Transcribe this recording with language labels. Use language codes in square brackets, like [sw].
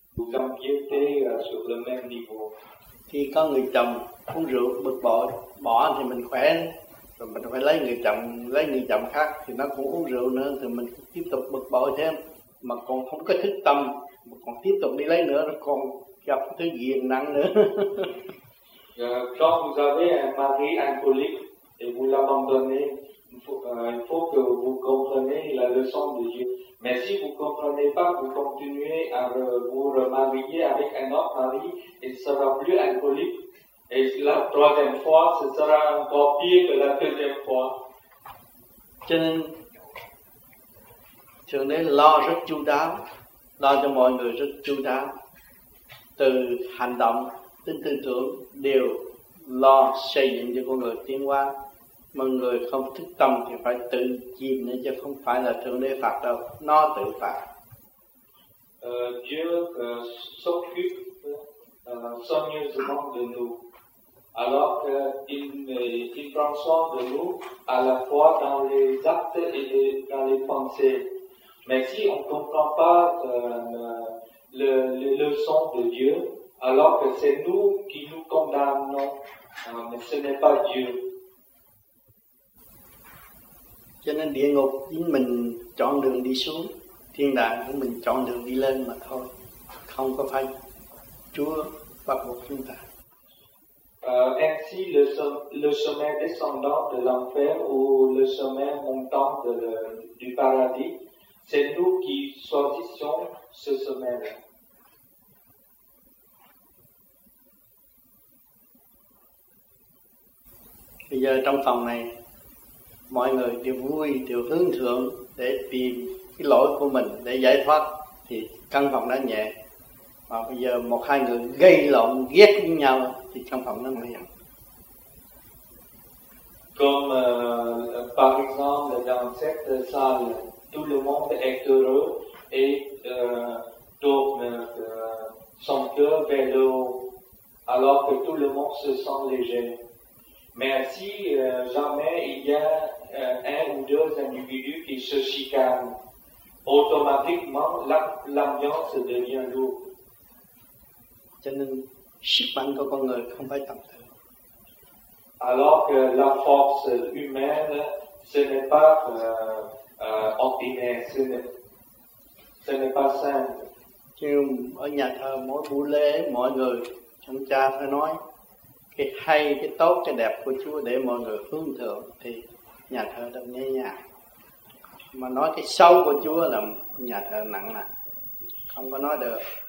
[fr] Vous empiétez sur le même niveau. [vi] Thì có người chồng uống rượu bực bội, bỏ thì mình khỏe, rồi mình phải lấy người chồng khác thì nó cũng uống rượu nữa, thì mình tiếp tục bực bội thêm, mà còn không có thức tâm, mà còn tiếp tục đi lấy nữa, nó còn gặp thứ gì nặng nữa. [fr] Quand vous avez un mari alcoolique et vous l'abandonnez, il faut que vous compreniez la leçon de Dieu. Mais si vous ne comprenez pas, vous continuez à vous remarier avec un autre mari, il sera plus alcoolique. Et la troisième fois, ce sera encore pire que la deuxième fois. [vi] Cho nên, thường nên lo rất chu đáo, lo cho mọi người rất chu đáo. Từ hành động, tính tư tưởng, đều lo xây dựng cho con người tiến hóa. Mọi người không thức tâm thì phải tự chìm nữa, chứ không phải là thượng đế phạt đâu, nó tự phạt. [fr] Dieu s'occupe soigneusement de nous, alors qu'il prend soin de nous à la fois dans les actes et dans les pensées. Mais si on ne comprend pas les leçons de Dieu, alors que c'est nous qui nous condamnons, mais ce n'est pas Dieu. [vi] Cho nên địa ngục chính mình chọn đường đi xuống, thiên đàng cũng mình chọn đường đi lên mà thôi, không có phải Chúa bắt buộc chúng ta. [fr] Ainsi le chemin descendant de l'enfer ou le chemin montant du paradis, c'est nous qui choisissons ce chemin. [vi] Bây giờ trong phòng này mọi người đều vui, đều hướng thượng để tìm cái lỗi của mình để giải thoát thì căn phòng đã nhẹ. Mà bây giờ một hai người gây lộn, ghét với nhau thì căn phòng nó nguy hiểm. [fr] Comme par exemple dans cette salle, tout le monde est heureux et tourne son cœur vers le haut, alors que tout le monde se sent léger. Mais si jamais il y a un ou deux individus qui se chicanent, automatiquement l'ambiance devient lourde. [vi] Cho nên sức mạnh của con người không phải tầm thường. [fr] Alors que la force humaine, ce n'est pas ordinaire, ce n'est pas simple. [vi] Chứ ở nhà thờ mỗi buổi lễ mọi người chúng cha phải nói cái hay, cái tốt, cái đẹp của Chúa để mọi người hướng thượng thì nhà thờ đâm nghe nhà. Mà nói cái xấu của Chúa là nhà thờ nặng nặng, không có nói được.